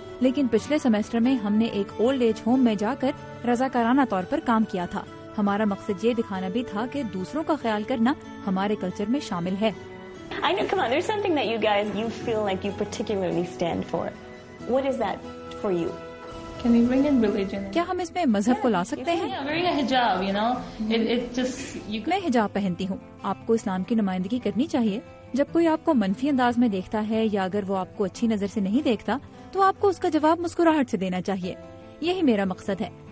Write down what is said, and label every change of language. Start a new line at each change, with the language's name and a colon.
Urdu: لیکن پچھلے سیمسٹر میں ہم نے ایک اولڈ ایج ہوم میں جا کر رضاکارانہ طور پر کام کیا تھا. ہمارا مقصد یہ دکھانا بھی تھا کہ دوسروں کا خیال کرنا ہمارے کلچر میں شامل ہے.
English: I know, come on, there's something that you guys, you feel like you particularly stand for. What is that for you? Can we bring in religion?
Urdu: کیا ہم اس میں مذہب کو لا سکتے ہیں؟ میں حجاب پہنتی ہوں. آپ کو اسلام کی نمائندگی کرنی چاہیے. جب کوئی آپ کو منفی انداز میں دیکھتا ہے یا اگر وہ آپ کو اچھی نظر سے نہیں دیکھتا تو آپ کو اس کا جواب مسکراہٹ سے دینا چاہیے. یہی میرا مقصد ہے.